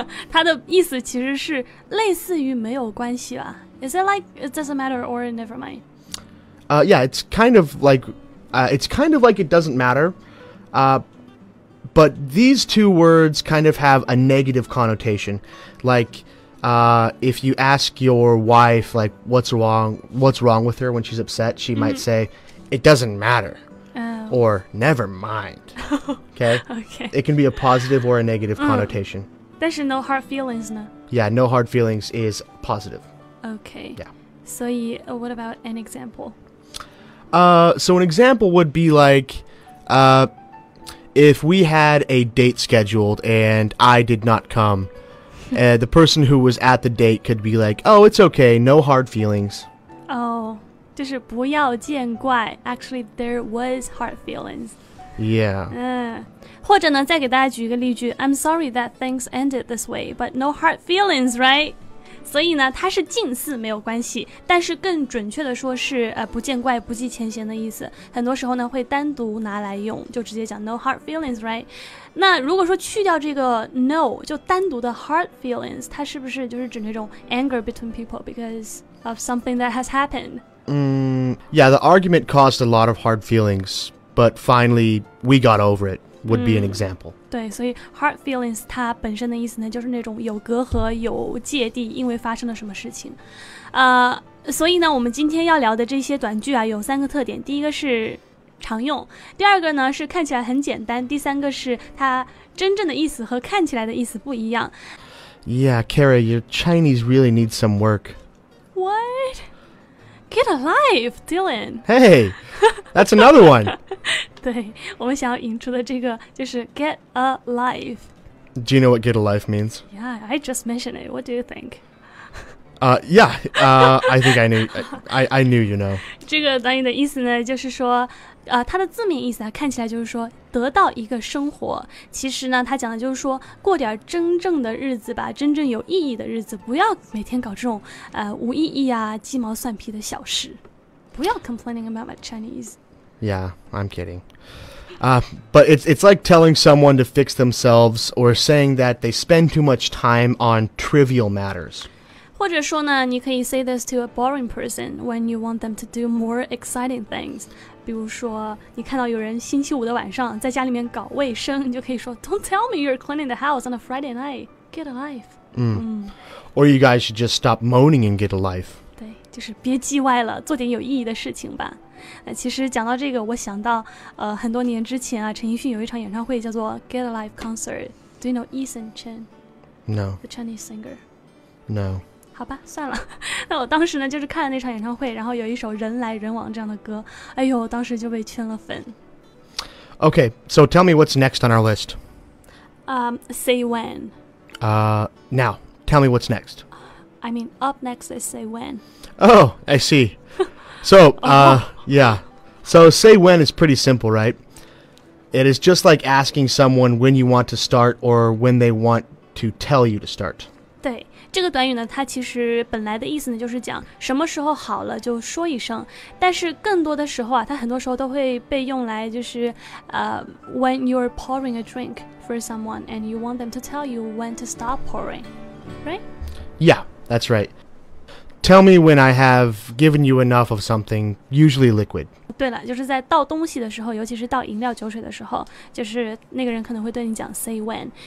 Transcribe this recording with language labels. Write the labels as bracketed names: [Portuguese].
[Chinese] 它的意思其实是类似于没有关系吧。 [English] Is it like, it doesn't matter or never mind? Yeah, it's kind of like, it's kind of like it doesn't matter. But these two words kind of have a negative connotation. Like,if you ask your wife, like, what's wrong with her when she's upset, she might say, it doesn't matter, or never mind, okay? Okay. It can be a positive or a negative connotation. [Chinese] 但是 no hard feelings 呢? [English] Yeah, no hard feelings is positive. Okay. Yeah. So, what about an example? So an example would be like, if we had a date scheduled and I did not come,the person who was at the date could be like, oh, it's okay, no hard feelings. Oh, [Chinese] 就是不要见怪. [English] Actually, there was hard feelings. Yeah. [Chinese] 或者呢,再给大家举一个例句, [English] I'm sorry that things ended this way, but no hard feelings, right? [Chinese] 所以呢,它是近似没有关系,但是更准确的说是不见怪,不计前嫌的意思。很多时候呢,会单独拿来用,就直接讲 no hard feelings, right? 那如果说去掉这个 no, 就单独的 hard feelings, 它是不是就是指那种 [English] anger between people because of something that has happened? Yeah, the argument caused a lot of hard feelings, but finally we got over it, would be an example. [Chinese] 对,所以 hard feelings 它本身的意思呢就是那种有隔阂、有芥蒂因为发生了什么事情。所以呢我们今天要聊的这些短句啊有三个特点。第一个是常用，第二个呢是看起来很简单，第三个是它真正的意思和看起来的意思不一样。 [English] Yeah, Kara, your Chinese really needs some work. What? Get a life, Dylan. Hey, that's another one. [Chinese] 对，我们想要引出的这个就是 get a life. [English] Do you know what get a life means? Yeah, I just mentioned it. What do you think? I think I knew, I knew you know. [Chinese] 这个短语的意思呢就是说它的字面意思啊看起来就是说得到一个生活。其实呢它讲的就是说过点真正的日子吧，真正有意义的日子，不要每天搞这种无意义啊鸡毛蒜皮的小事。不要 [English] complaining about my Chinese. Yeah, I'm kidding. But it's like telling someone to fix themselves or saying that they spend too much time on trivial matters. [Chinese] 或者说呢，你可以 [English] say this to a boring person when you want them to do more exciting things. [Chinese] 比如说，你看到有人星期五的晚上在家里面搞卫生，你就可以说 [English] "Don't tell me you're cleaning the house on a Friday night. Get a life." Or you guys should just stop moaning and get a life. [Chinese] 对，就是别叽歪了，做点有意义的事情吧。其实讲到这个，我想到很多年之前啊，陈奕迅有一场演唱会叫做 "Get a Life" concert. [English] Do you know Eason Chen? No. The Chinese singer. No. [Chinese] 好吧算了那我当时呢就是看了那场演唱会然后有一首人来人往这样的歌哎呦当时就被圈了粉 [English] Okay, so tell me what's next on our list Say when Now, tell me what's next I mean, up next is say when Oh, I see So, yeah So say when is pretty simple, right? It is just like asking someone when you want to start or when they want to tell you to start [Chinese] 对，这个短语呢，它其实本来的意思呢，就是讲什么时候好了就说一声。但是更多的时候啊，它很多时候都会被用来就是 [English] when you're pouring a drink for someone and you want them to tell you when to stop pouring, right? Yeah, that's right. Tell me when I have given you enough of something, usually liquid. [Chinese] 对了，就是在倒东西的时候，尤其是倒饮料酒水的时候，就是那个人可能会对你讲 say when.